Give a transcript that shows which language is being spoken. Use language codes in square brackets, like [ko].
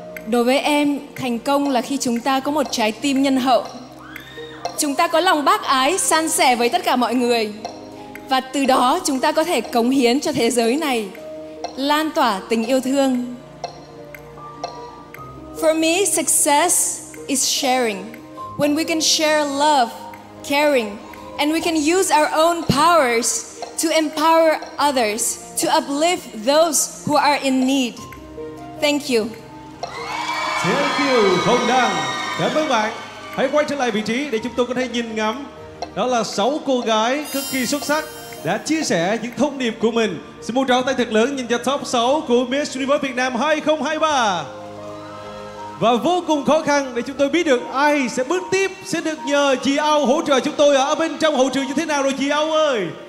[vi] Đối với em, thành công là khi chúng ta có một trái tim nhân hậu, chúng ta có lòng bác ái, san sẻ với tất cả mọi người, và từ đó chúng ta có thể cống hiến cho thế giới này, lan tỏa tình yêu thương. [en] For me, success is sharing. When we can share love, caring, and we can use our own powers to empower others, to uplift those who are in need. Thank you. Thank you, [vi] Hồng Đăng. Cảm ơn bạn. Hãy quay trở lại vị trí để chúng tôi có thể nhìn ngắm. Đó là 6 cô gái cực kỳ xuất sắc đã chia sẻ những thông điệp của mình. Xin một tràng tay thật lớn nhìn cho top 6 của Miss Universe Việt Nam 2023. Và vô cùng khó khăn để chúng tôi biết được ai sẽ bước tiếp, sẽ được nhờ chị Âu hỗ trợ chúng tôi ở bên trong hậu trường như thế nào rồi chị Âu ơi.